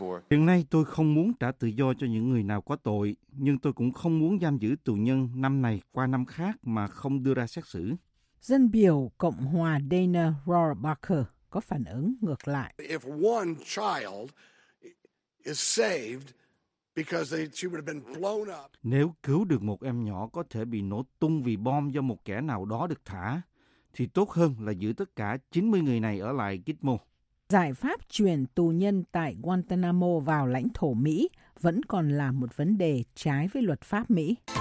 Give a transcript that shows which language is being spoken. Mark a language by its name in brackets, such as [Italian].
[Vietnamese] Hiện nay tôi không muốn trả tự do cho những người nào có tội, nhưng tôi cũng không muốn giam giữ tù nhân năm này qua năm khác mà không đưa ra xét xử. Dân biểu Cộng hòa Dana Rohrabacher có phản ứng ngược lại. [English] If one child is saved because she would have been blown up. [Vietnamese] Nếu cứu được một em nhỏ có thể bị nổ tung vì bom do một kẻ nào đó được thả, thì tốt hơn là giữ tất cả 90 người này ở lại Gitmo. Giải pháp chuyển tù nhân tại Guantanamo vào lãnh thổ Mỹ vẫn còn là một vấn đề trái với luật pháp Mỹ.